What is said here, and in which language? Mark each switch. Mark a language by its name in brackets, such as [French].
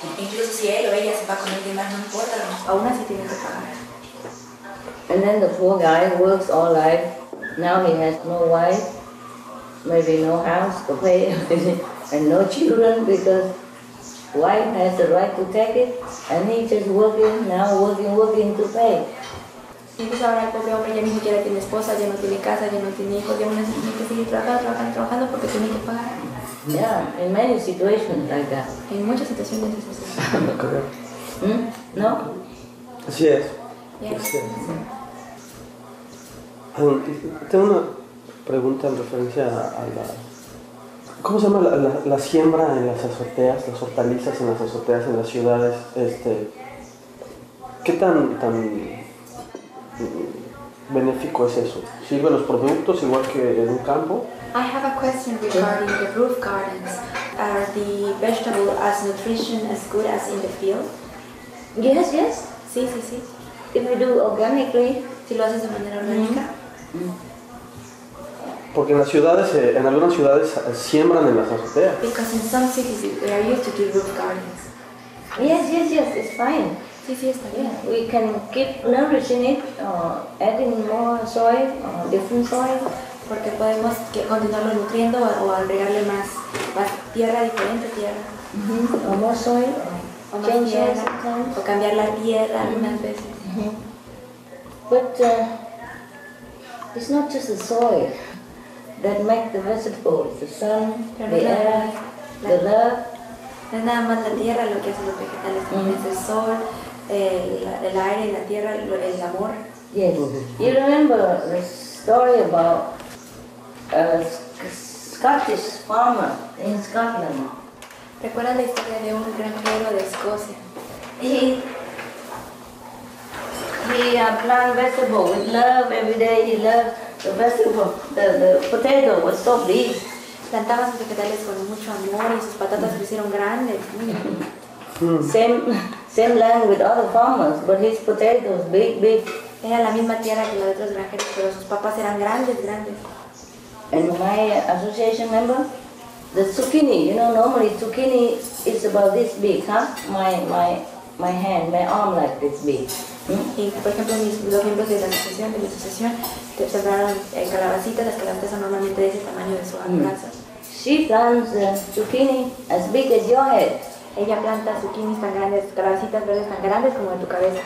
[Spanish] Incluso si él o ella se va con alguien más, no importa, aún así tiene que pagar. [English] And then the poor guy works all life. Now he has no wife, maybe no house to pay, and no children because wife has the right to take it, and he just working now, working to pay. [Spanish] Y pues ahora el pobre hombre ya ni siquiera tiene esposa, ya no tiene casa, ya no tiene hijos, ya no necesita seguir trabajando porque tiene que pagar. [English] Yeah, in many situations like that. [Spanish] En muchas situaciones es así. No creo. ¿No? Así es. [English] Yeah. [Spanish] Sí. Tengo una pregunta en referencia a la... ¿Cómo se llama la siembra en las azoteas, las hortalizas en las azoteas en las ciudades? ¿Qué tan benéfico es eso? ¿Sirve los productos igual que en un campo? [English] I have a question regarding the roof gardens. Are the vegetable as nutrition as good as in the field? Yes, yes. [Spanish] Sí, sí, sí. [English] If we do organically. [Spanish] Si lo haces de manera orgánica. Porque en las ciudades, en algunas ciudades siembran en las azoteas. [English] Because in some cities they are used to do roof gardens. Yes, yes, yes, it's fine. [Spanish] Sí, [English] we can keep nourishing it, adding more soil, different soil. [Spanish] Porque podemos continuarlo nutriendo o agregarle más tierra, diferente tierra. [English] Mm-hmm. O more soil, [Spanish] o [English] change [Spanish] tierra, [English] sometimes. [Spanish] O cambiar la tierra algunas veces. Mm-hmm. [English] But it's not just the soil that makes the vegetables, the sun, the air, the love. [Spanish] No es nada más la tierra lo que hacen los vegetales, también es el sol. El aire, la tierra, el amor. [English] Yes. You remember the story about a Scottish farmer in Scotland? [Spanish] ¿Recuerda la historia de un granjero de Escocia? [English] He planted vegetables with love every day. He loved the vegetable. The potato was so big. [Spanish] Plantaba sus vegetales con mucho amor y sus patatas crecieron grandes. [English] Same land with other farmers, but his potatoes big. [Spanish] Era la misma tierra que los otros granjeros, pero sus papas eran grandes. [English] And my association member, the zucchini, you know, normally zucchini is about this big, huh? My hand, my arm like this big. [Spanish] Y por ejemplo, los miembros de la asociación, te sembraron calabacitas, las calabacitas son normalmente de ese tamaño de su brazo. [English] She plants zucchini as big as your head. [Spanish] Ella planta zucchinis tan grandes, calabacitas verdes tan grandes como de tu cabeza.